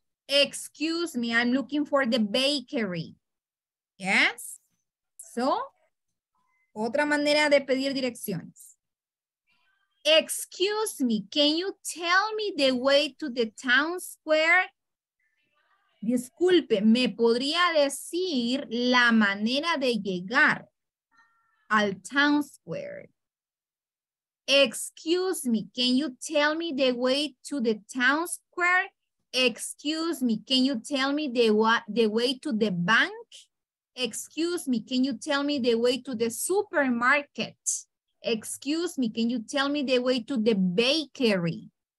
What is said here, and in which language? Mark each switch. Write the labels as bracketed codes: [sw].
[en] Excuse me, I'm looking for the bakery. Yes? [es] So, otra manera de pedir direcciones. [en] Excuse me, can you tell me the way to the town square? [es] Disculpe, ¿me podría decir la manera de llegar al town square? [en] Excuse me, can you tell me the way to the town square? Excuse me, can you tell me the way to the bank? Excuse me, can you tell me the way to the supermarket? Excuse me, can you tell me the way to the bakery?